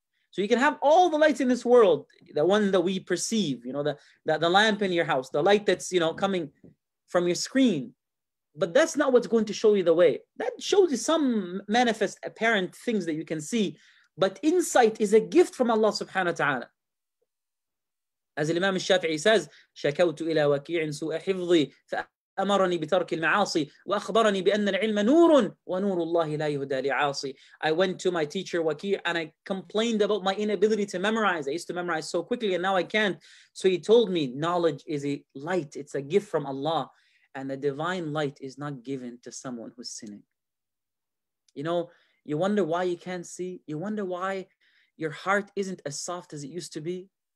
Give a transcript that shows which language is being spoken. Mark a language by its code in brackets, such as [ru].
[en] So you can have all the lights in this world, the one that we perceive, you know, the lamp in your house, the light that's, you know, coming from your screen. But that's not what's going to show you the way. That shows you some manifest apparent things that you can see. But insight is a gift from Allah subhanahu wa ta'ala. As Imam al-Shafi'i says, [ar] شَكَوْتُ إِلَىٰ وَكِيعٍ سُوءَ حِفْظِي فَأَمَرَنِي بِتَرْكِ الْمَعَاصِي وَأَخْبَرَنِي بِأَنَّ الْعِلْمَ نُورٌ وَنُورُ اللَّهِ لَا يُهُدَى لِعَاصِي. [en] I went to my teacher Waqi' and I complained about my inability to memorize. I used to memorize so quickly and now I can't. So he told me, knowledge is a light. It's a gift from Allah. And the divine light is not given to someone who's sinning. You know, you wonder why you can't see. You wonder why your heart isn't as soft as it used to be.